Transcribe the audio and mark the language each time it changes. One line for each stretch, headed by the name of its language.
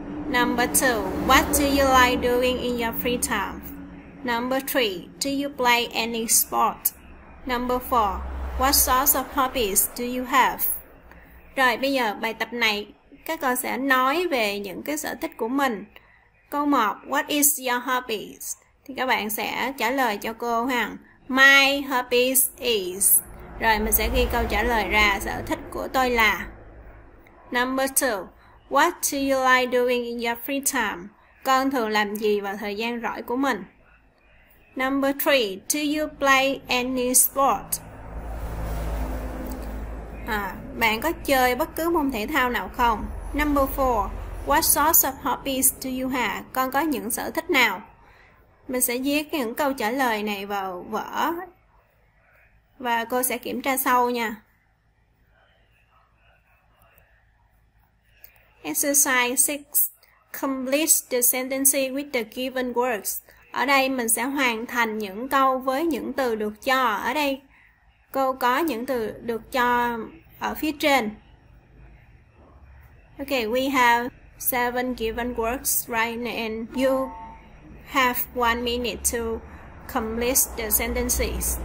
English: Number 2, what do you like doing in your free time? Number 3, do you play any sport? Number 4, what sorts of hobbies do you have?
Vietnamese: Rồi, bây giờ bài tập này, các con sẽ nói về những cái sở thích của mình. Câu 1,
English: what is your hobbies?
Vietnamese: Thì các bạn sẽ trả lời cho cô ha.
English: My hobbies is.
Vietnamese: Rồi, mình sẽ ghi câu trả lời ra, sở thích của tôi là.
English: Number 2, what do you like doing in your free time?
Vietnamese: Con thường làm gì vào thời gian rỗi của mình?
English: Number 3. Do you play any sport?
Vietnamese: Bạn có chơi bất cứ môn thể thao nào không?
English: Number 4. What sorts of hobbies do you have?
Vietnamese: Con có những sở thích nào? Mình sẽ viết những câu trả lời này vào vở. Và cô sẽ kiểm tra sau nha.
English: Exercise 6. Complete the sentence with the given words.
Vietnamese: Ở đây mình sẽ hoàn thành những câu với những từ được cho. Ở đây cô có những từ được cho ở phía trên.
English: Okay, we have 7 given words right now and you have 1 minute to complete the sentences.